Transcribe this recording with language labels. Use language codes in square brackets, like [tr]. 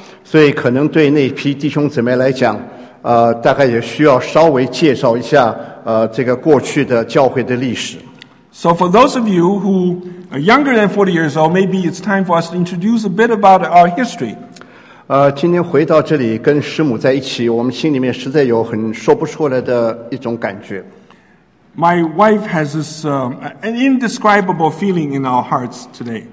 [zh] 所以可能对那批弟兄姊妹来讲, 大概也需要稍微介绍一下, 这个过去的教会的历史。 [en] So for those of you who are younger than 40 years old, maybe it's time for us to introduce a bit about our history. [zh] 今天回到这里跟师母在一起, 我们心里面实在有很说不出来的一种感觉。 [en] My wife has this an indescribable feeling in our hearts today.